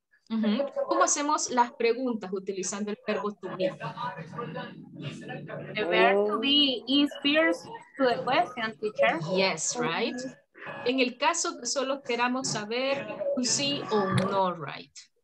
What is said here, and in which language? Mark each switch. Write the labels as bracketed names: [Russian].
[Spanish] ¿Cómo hacemos las preguntas utilizando el verbo to be? [English] The verb to be is first to the question, teacher. Yes, right? [Spanish] En el caso que solo queramos saber un sí o no, right?